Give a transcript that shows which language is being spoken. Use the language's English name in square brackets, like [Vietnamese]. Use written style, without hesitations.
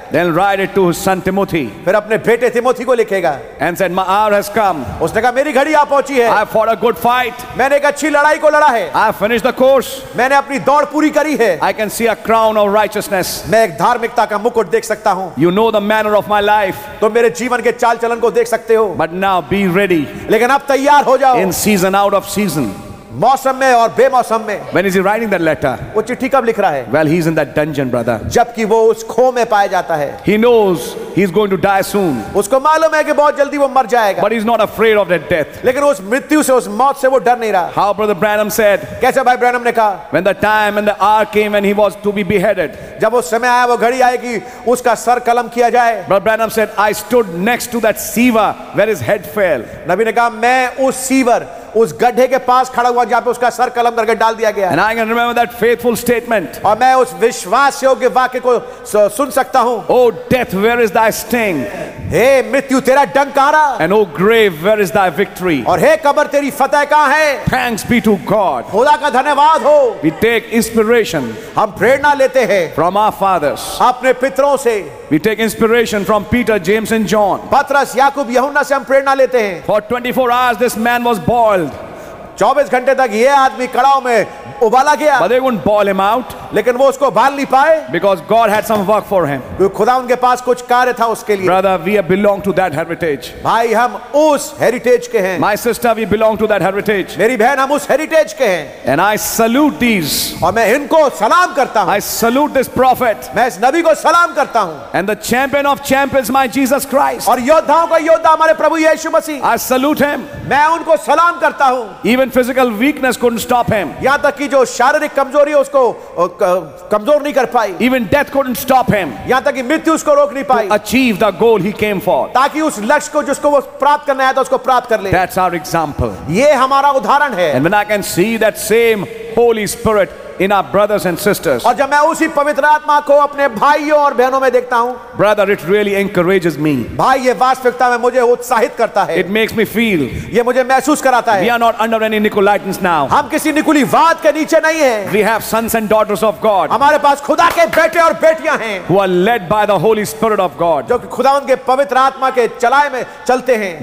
[English] Then he'll write it to his son Timothy. [Hindi] फिर अपने बेटे तिमोथी को लिखेगा. [English] And said, my hour has come. [Hindi] उसने कहा मेरी घड़ी आ पहुंची है. [English] I fought a good fight. [Hindi] मैंने एक अच्छी लड़ाई को लड़ा है. [English] I finished the course. [Hindi] मैंने अपनी दौड़ पूरी करी है. [English] I can see a crown of righteousness. [Hindi] मैं एक धार्मिकता का मुकुट देख सकता हूं. [English] You know the manner of my life. [Hindi] तुम मेरे जीवन के चाल चलन को देख सकते हो. [English] But now be ready. [Hindi] लेकिन अब तैयार हो जाओ. [English] In season, out of season. [Hindi] मौसम में और बेमौसम में. [English] When is he writing that letter? [Hindi] वो चिट्ठी कब लिख रहा है? [English] Well, he's in that dungeon, brother. [Hindi] जबकि वो उस खो में पाया जाता है. [English] He knows he's going to die soon. [Hindi] उसको मालूम है कि बहुत जल्दी वो मर जाएगा. [English] But he's not afraid of that death. [Hindi] लेकिन उस मृत्यु से, उस मौत से वो डर नहीं रहा. [English] How brother Branham said? [Hindi] कैसे भाई ब्रैनम ने कहा? [English] When the time and the hour came when he was to be beheaded. [Hindi] जब वो समय आया, वो घड़ी आई कि उसका सर कलम किया जाए. [English] Brother Branham said, I stood next to that sewer where his head fell. [Hindi] नबी ने कहा, मैं उस सीवर, उस गड्ढे के पास खड़ा हुआ जहां पे उसका सर कलम करके डाल दिया गया. [English] And I can remember that faithful statement. [Hindi] और मैं उस विश्वास योग्य वाक्य को सुन सकता हूं. [English] Oh death, where is thy sting? [Hindi] हे मृत्यु, तेरा डंक कहां रहा? [English] And oh grave, where is thy victory? [Hindi] और हे कब्र, तेरी फतह कहां है? [English] Thanks be to God. [Hindi] खुदा का धन्यवाद हो. [English] We take inspiration. [Hindi] हम प्रेरणा लेते हैं. [English] From our fathers. [Hindi] अपने पितरों से. [English] We take inspiration from Peter, James and John. [Hindi] पतरस, याकूब, यहोन्ना से हम प्रेरणा लेते हैं. [English] For 24 hours this man was boiled. [Hindi] 24 घंटे तक ये आदमी कड़ाव में उबाला गया. [English] But they wouldn't boil him out. [Hindi] लेकिन वो उसको उबाल नहीं पाए. [English] Because God had some work for him. [Hindi] खुदा उनके पास कुछ कार्य था उसके लिए. [English] Brother, we belong to that heritage. [Hindi] भाई, हम उस हेरिटेज के हैं. [English] My sister, we belong to that heritage. [Hindi] मेरी बहन, हम उस हेरिटेज के हैं. [English] And I salute these. [Hindi] और मैं इनको सलाम करता हूँ. [English] I salute this prophet. [Hindi] मैं इस नबी को सलाम करता हूँ. [English] And the champion of champions, my Jesus Christ. [Hindi] और योद्धाओं का योद्धा, हमारे प्रभु यीशु मसीह. [English] I salute him. [Hindi] मैं उनको सलाम करता हूँ. [English] Even physical weakness couldn't stop him. [Hindi] यहाँ तक कि जो शारीरिक कमजोरी है उसको कमजोर नहीं कर पाई. [English] Even death couldn't stop him. [Hindi] यहाँ तक कि मृत्यु उसको रोक नहीं पाई. [English] To achieve the goal he came for. [Hindi] ताकि उस लक्ष्य को जिसको वो प्राप्त करना आया था उसको प्राप्त कर ले. [English] That's our example. [Hindi] ये हमारा उदाहरण है. [English] And when I can see that same Holy Spirit in our brothers and sisters. [Hindi] और जब मैं उसी पवित्र आत्मा को अपने भाइयों और बहनों में देखता हूँ. [English] Brother, it really encourages me. [Hindi] भाई, ये वास्तविकता में मुझे उत्साहित करता है. [English] It makes me feel. [Hindi] ये मुझे महसूस कराता है. [English] We are not under any Nicolaitans now. [Hindi] हम किसी निकुलीवाद के नीचे नहीं हैं. [English] We have sons and daughters of God. [Hindi] हमारे पास खुदा के बेटे और बेटियां हैं. [English] Who are led by the Holy Spirit of God. [Hindi] जो खुदावंद के पवित्र आत्मा के चलाए में चलते हैं.